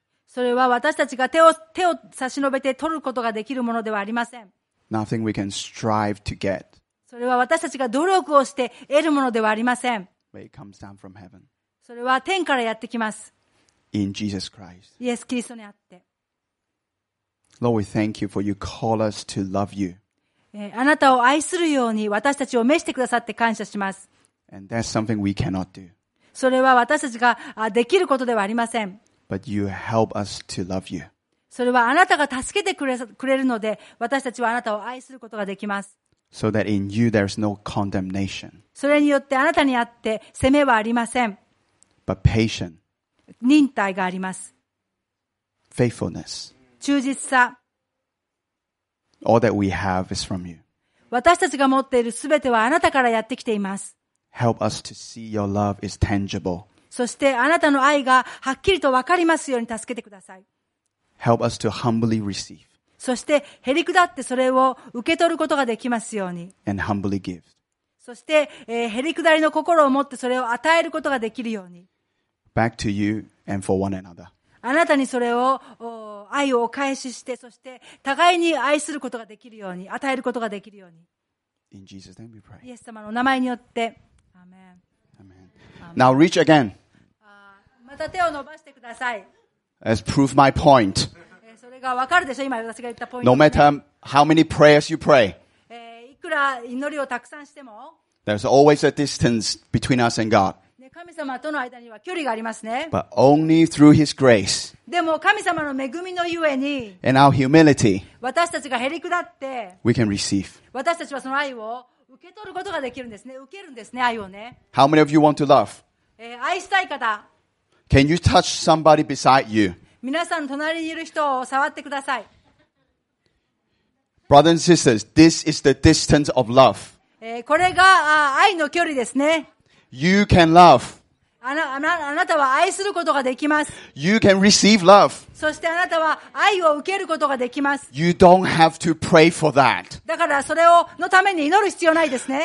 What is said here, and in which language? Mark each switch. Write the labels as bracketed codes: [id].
[ja] それは私たちが手を差し伸べて取ることができるものではありません。 [en] Nothing we can strive to get. [ja] それは私たちが努力をして得るものではありません。 [en] But it comes down from heaven. [ja] それは天からやってきます。 [en] In Jesus Christ. [ja] イエス・キリストにあって。 [en] Lord, we thank you for you call us to love you. [ja] あなたを愛するように私たちを召してくださって感謝します。 [en] And that's something we cannot do. [ja] それは私たちができることではありません。 [en] But you help us to love you. [ja] それはあなたが助けてくれるので、私たちはあなたを愛することができます。 [en] So that in you there is no condemnation. [ja] それによってあなたにあって責めはありません。 [en] But patient. [ja] 忍耐があります。 [en] Faithfulness. [ja] 忠実さ。 [en] All that we have is from you. [ja] 私たちが持っているすべてはあなたからやってきています。 [en] Help us to see your love is tangible. [ja] そしてあなたの愛がはっきりとわかりますように助けてください。 [en] Help us to humbly receive. [ja] そして、へりくだってそれを受け取ることができますように。 [en] And humbly give. [ja] そして、へりくだりの心を持ってそれを与えることができるように。 [en] Back to you and for one another. [ja] あなたにそれを、愛をお返しして、そして、互いに愛することができるように、与えることができるように。 [en] In Jesus' name we pray. [ja] イエス様のお名前によって。アメン。アメン。 [en] Now reach again. [ja] また手を伸ばしてください。 [en] As prove my point. [ja] それがわかるでしょ、今私が言ったポイント、ね。 [en] No matter how many prayers you pray. [ja] いくら祈りをたくさんしても。 [en] There's always a distance between us and God. [ja] 神様との間には距離がありますね。 [en] But only through His grace. [ja] でも神様の恵みのゆえに。 [en] And our humility. [ja] 私たちがへりくだって。 [en] We can receive. [ja] 私たちはその愛を受け取ることができるんですね。受けるんですね、愛をね。 [en] How many of you want to love? [ja] 愛したい方。 [en] Can you touch somebody beside you? [ja] 皆さん隣にいる人を触ってください。 [en] Brothers and sisters, this is the distance of love. [ja] これが愛の距離ですね。 [en] You can love. [ja] あなたは愛することができます。 [en] You can receive love. [ja] そしてあなたは愛を受けることができます。 [en] You don't have to pray for that. [ja] だからそれをのために祈る必要ないですね。